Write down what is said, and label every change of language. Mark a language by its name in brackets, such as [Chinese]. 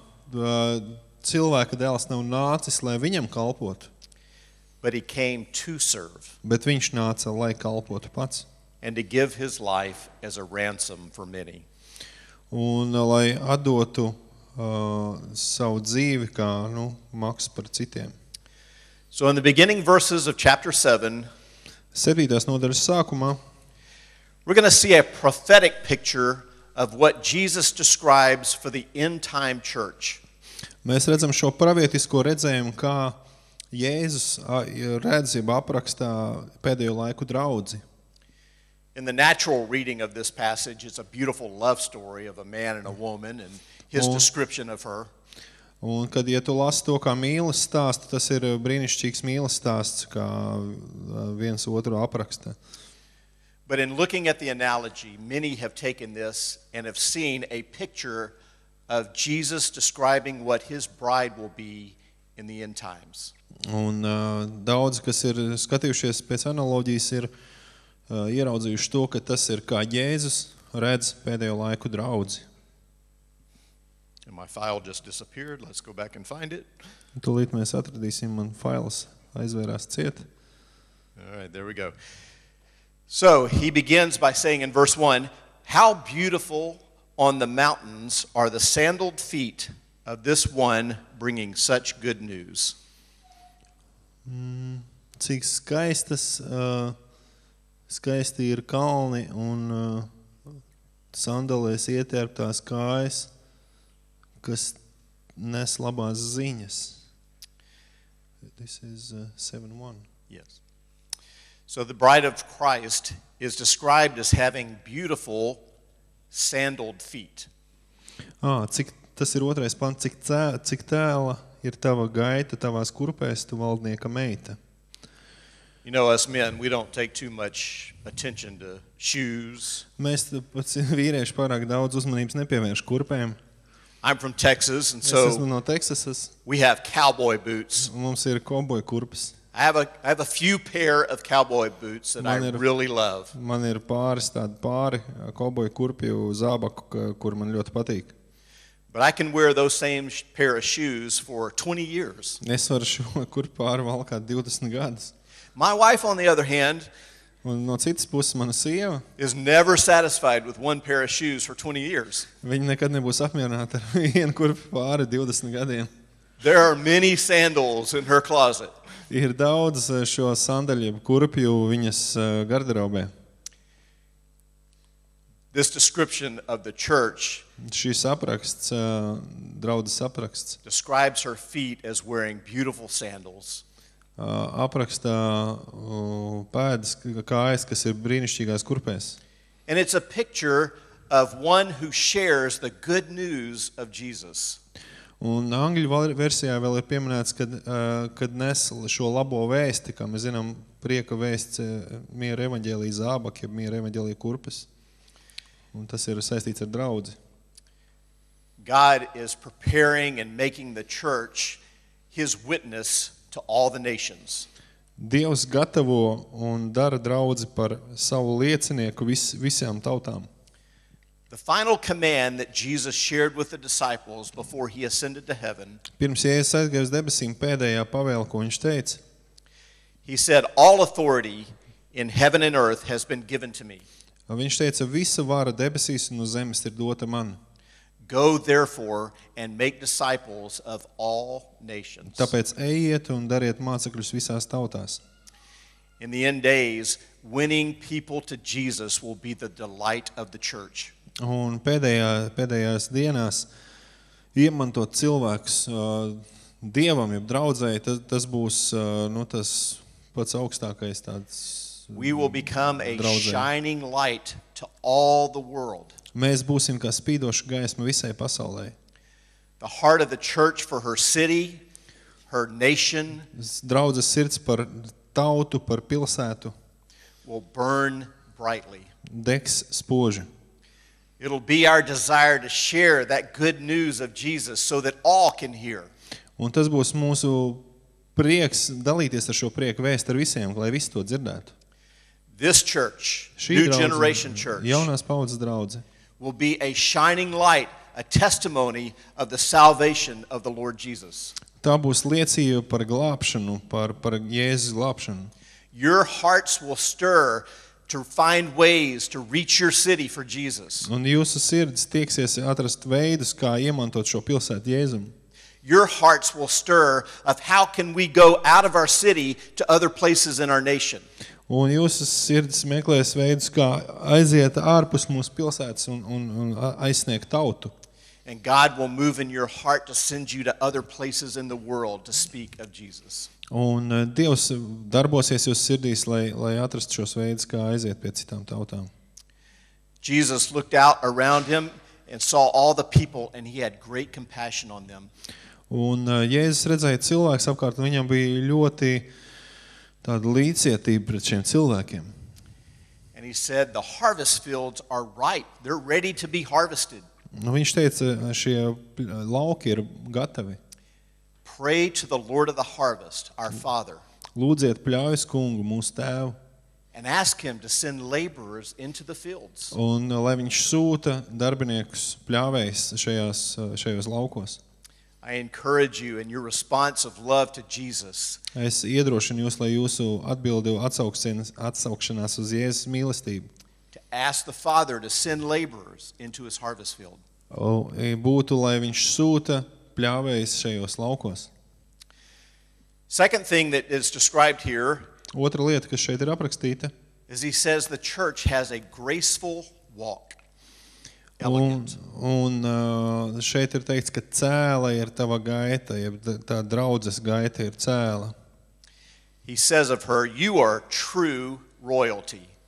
[Latvian] Cilvēka dēls nav nācis, lai viņam kalpotu. [English] But he came to serve. [Latvian] Bet viņš nāca, lai kalpotu pats. [English] And to give his life as a ransom for many. [Latvian] Un lai atdotu savu dzīvi kā, nu, maksu par citiem. [English] So in the beginning verses of chapter 7, [Latvian] 7. Nodaļas sākumā, [English] we're going to see a prophetic picture of what Jesus describes for the end-time church. [Latvian] Mēs redzam šo pravietisko redzējumu, kā Jēzus redz jeb aprakstā pēdējo laiku draudzi. [English] In the natural reading of this passage, it's a beautiful love story of a man and a woman and his description of her. [Latvian] Un kad ja tu lasi to kā mīlas stāstu, tas ir brīnišķīgs mīlas stāsts, kā viens otru apraksta. [English] But in looking at the analogy, many have taken this and have seen a picture of Jesus describing what his bride will be in the end times. [Latvian] Un daudz, kas ir skatījušies pēc analoģijas, ir ieraudzījuši to, ka tas ir kā Jēzus redz pēdējo laiku draudzi. [English] And my file just disappeared. Let's go back and find it. [Latvian] Tūlīt mēs atradīsim, man files aizvērās ciet. [English] All right, there we go. So, he begins by saying in verse 1, how beautiful on the mountains are the sandaled feet of this one bringing such good news. [Latvian] Cik skaistas, skaisti ir kalni un sandalēs ietērptās kājas, kas nes labās ziņas. [English] This is 7:1. Yes. So the bride of Christ is described as having beautiful sandaled feet. [Latvian] Cik tas ir otrais pants, cik tēla ir tava gaita, tavās kurpēs, tu valdnieka meita. [English] You know, us men, we don't take too much attention to shoes. [Latvian] Mēs pats vīrieši pārāk daudz uzmanības nepievērš kurpēm. [English] I'm from Texas, and so [Latvian] es esmu no Teksasas. [English] We have cowboy boots. [Latvian] Mums ir kovboja kurpes. [English] I have a few pair of cowboy boots that [Latvian] man ir, [English] I really love. [Latvian] Man ir pāris tādi pāri cowboy kurpju zābaku, kur man ļoti patīk. [English] But I can wear those same pair of shoes for 20 years. [Latvian] Es varu šo kurpju pāri valkāt 20 gadus. [English] My wife on the other hand, [Latvian] un no citas puses mana sieva, [English] is never satisfied with one pair of shoes for 20 years. [Latvian] Viņa nekad nebūs apmierināta ar vienu kurpju pāri 20 gadiem. [English] There are many sandals in her closet. [Latvian] Ir daudz šo sandaļu kurpju viņas garderobē. [English] This description of the church, [Latvian] šis apraksts, draudzes apraksts, [English] describes her feet as wearing beautiful sandals. [Latvian] Apraksta pēdas, kājas, kas ir brīnišķīgās kurpēs. [English] And it's a picture of one who shares the good news of Jesus. [Latvian] Un angļu versijā vēl ir pieminēts, kad nes šo labo vēsti, kā mēs zinām, prieka vēsts, miera evaņģēlija zābak, ja miera evaņģēlija kurpes. Un tas ir saistīts ar draudzi. [English] God is preparing and making the church his witness to all the nations. [Latvian] Dievs gatavo un dara draudzi par savu liecinieku visām tautām. [English] The final command that Jesus shared with the disciples before he ascended to heaven. [Latvian] Pirms Jēzus aizgāja uz debesīm, pēdējā pavēle, ko viņš teica. [English] He said, "All authority in heaven and earth has been given to me." [Latvian] Viņš teica, visa vara debesīs un uz zemes ir dota man. [English] Go therefore and make disciples of all nations. [Latvian] Tāpēc ejiet un dariet mācekļus visās tautās. [English] In the end days, winning people to Jesus will be the delight of the church. [Latvian] Un pēdējās dienās iemantot cilvēks Dievam, jeb draudzēji, tas būs tas pats augstākais tāds. [English] We will become a shining light to all the world. [Latvian] Mēs būsim kā spīdoša gaisma visai pasaulē. [English] The heart of the church for her city, her nation. [Latvian] Draudzes sirds par tautu, par pilsētu. [English] Will burn brightly. [Latvian] Degs spoži. [English] It'll be our desire to share that good news of Jesus so that all can hear. [Latvian] Un tas būs mūsu prieks dalīties ar šo prieku vēstu ar visiem, lai visi to dzirdētu. [English] This church, New draudze, Generation Church, [Latvian] jaunās paudzes draudze, [English] will be a shining light, a testimony of the salvation of the Lord Jesus. [Latvian] Tā būs liecība par glābšanu, par Jēzus glābšanu. [English] Your hearts will stir to find ways to reach your city for Jesus. [Latvian] Un jūsu sirds tieksies atrast veidus, kā iemantot šo pilsētu Jēzum. [English] Your hearts will stir of how can we go out of our city to other places in our nation. [Latvian] Un jūsu sirds meklēs veidus, kā aiziet ārpus mūsu pilsētas un aizsniegt tautu. [English] And God will move in your heart to send you to other places in the world to speak of Jesus. [Latvian] Un Dievs darbosies jūsu sirdīs, lai atrastu šos veidus, kā aiziet pie citām tautām. [English] Jesus looked out around him and saw all the people and he had great compassion on them. [Latvian] Un Jēzus redzēja cilvēks apkārt, un viņam bija ļoti tāda līdzietība pret šiem cilvēkiem. [English] And he said the harvest fields are ripe, they're ready to be harvested. [Latvian] Nu, viņš teica, šie lauki ir gatavi. [English] Pray to the Lord of the harvest, our Father. [Latvian] Lūdziet pļaujas kungu, mūsu tēvu. [English] And ask him to send laborers into the fields. [Latvian] Un lai viņš sūta darbiniekus pļāvējus šajos laukos. [English] I encourage you in your response of love to Jesus. [Latvian] Es iedrošinu jūs, lai jūsu atbildi atsaukšanās uz Jēzus mīlestību. [English] To ask the Father to send laborers into his harvest field. [Latvian] Būtu, lai viņš sūta pļāvējus šajos laukos. [English] Second thing that is described here. [Latvian] Otra lieta, kas šeit ir aprakstīta. [English] As he says, the church has a graceful walk. [Latvian] Un šeit ir teikts, ka cēla ir tava gaita, jeb tā draudzes gaita ir cēla. [English] He says of her, you are true royalty.